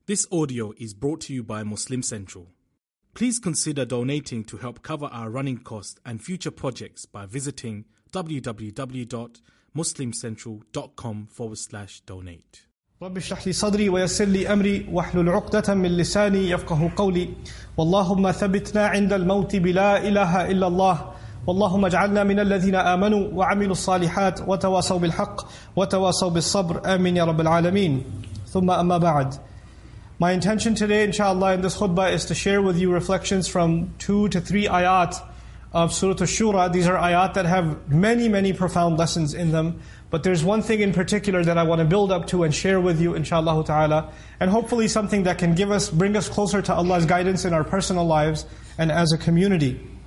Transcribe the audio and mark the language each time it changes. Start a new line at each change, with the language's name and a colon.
English: This audio is brought to you by Muslim Central. Please consider donating to help cover our running costs and future projects by visiting www.muslimcentral.com/donate.
Arabic: رب اشرح لي صدري ويسر لي امري واحلل عقدة من لساني يفقهوا قولي واللهم ثبتنا عند الموت بلا اله الا الله واللهم اجعلنا من الذين امنوا وعملوا الصالحات وتواصوا بالحق وتواصوا بالصبر امين يا رب العالمين ثم اما بعد.
English: My intention today, inshallah, in this khutbah is to share with you reflections from 2 to 3 ayat of Surah Ash-Shura. These are ayat that have many, many profound lessons in them. But there's one thing in particular that I want to build up to and share with you, inshallah ta'ala. And hopefully something that can bring us closer to Allah's guidance in our personal lives and as a community.